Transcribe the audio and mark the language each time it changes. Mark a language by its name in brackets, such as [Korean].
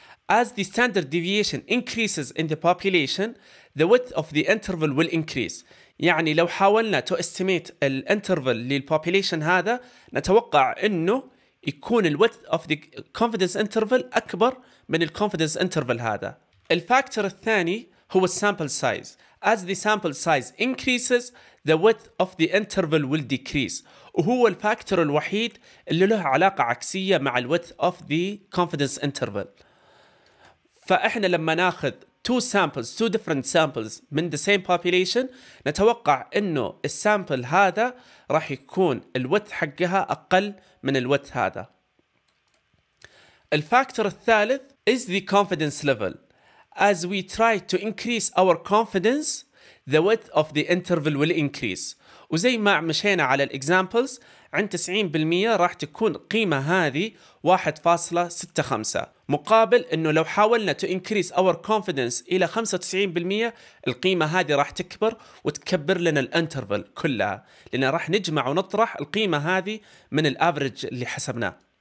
[English] As the standard deviation increases in the population, the width of the interval will increase. [Arabic] يعني لو حاولنا [English] to estimate the interval [Arabic] للpopulation هذا، نتوقع أنه يكون [English] the width of the confidence interval [Arabic] أكبر من [English] the confidence interval هذا. [Arabic] الفاكتور الثاني هو sample size. [English] As the sample size increases, the width of the interval will decrease. [Arabic] وهو الفاكتور الوحيد اللي له علاقة عكسية مع الـ [English] width of the confidence interval. [Arabic] فإحنا لما ناخذ [English] two different samples [Arabic] من [English] the same population، [Arabic] نتوقع إنه السامبل هذا راح يكون الـ width حقها أقل من الـ width هذا. الفاكتور الثالث [English] is the confidence level. As we try to increase our confidence, the width of the interval will increase. [Arabic] وزي ما مشينا على الإكزامبلز، عند 90% راح تكون قيمة هذه 1.65، مقابل أنه لو حاولنا [English] to increase our confidence [Arabic] إلى 95% القيمة هذه راح تكبر وتكبر لنا الانترفل كلها، لأن راح نجمع ونطرح القيمة هذه من الأفرج اللي حسبناه.